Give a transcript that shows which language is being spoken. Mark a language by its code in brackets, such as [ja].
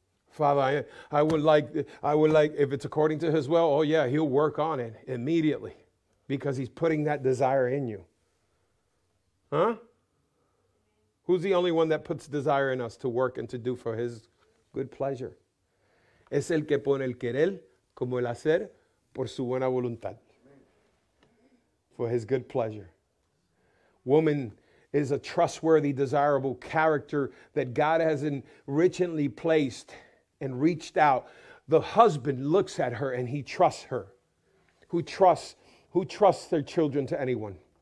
[en] Father, I would like, if it's according to his will, oh yeah, he'll work on it immediately because he's putting that desire in you. Huh? Who's the only one that puts desire in us to work and to do for his good pleasure? [es] Es el que pone el querer como el hacer por su buena voluntad. [en] For his good pleasure. Woman is a trustworthy, desirable character that God has enrichingly placed and reached out. The husband looks at her and he trusts her. Who trusts their children to anyone?